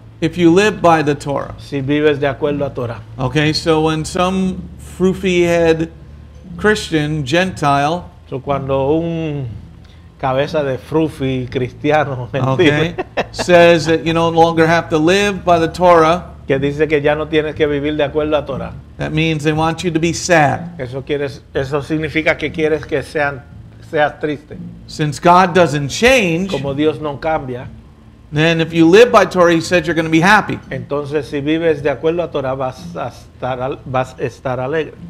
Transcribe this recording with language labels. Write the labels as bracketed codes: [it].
[en] If you live by the Torah. [es] Si vives de acuerdo a Torah. [en] Okay. So when some froofy head Christian Gentile. [es] So cuando un cabeza de frufi cristiano, [en] okay, says that you no longer have to live by the Torah. [es] Que dice que ya no tienes que vivir de acuerdo a Torah. [en] That means they want you to be sad. [es] Eso significa que quieres que seas triste. [en] Since God doesn't change, [es] como Dios no cambia, [en] then if you live by Torah, he said you're going to be happy. [es] Entonces si vives de acuerdo a Torah vas a estar alegre.